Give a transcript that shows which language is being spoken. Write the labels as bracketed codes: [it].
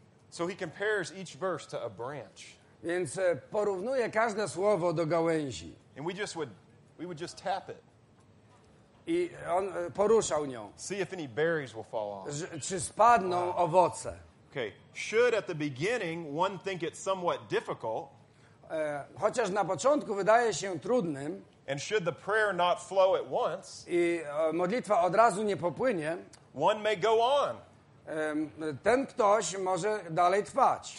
[en] So he compares each verse to a branch. [pl] Więc porównuje każde słowo do gałęzi. [en] And we would just tap it. [pl] I on poruszał nią. [en] See if any berries will fall off. [pl] Czy spadną owoce? [en] Okay. Should at the beginning one think it somewhat difficult? [pl] Chociaż na początku wydaje się trudnym. [en] And should the prayer not flow at once? [pl] I modlitwa od razu nie popłynie. [en] One may go on. [pl] Ten ktoś może dalej trwać.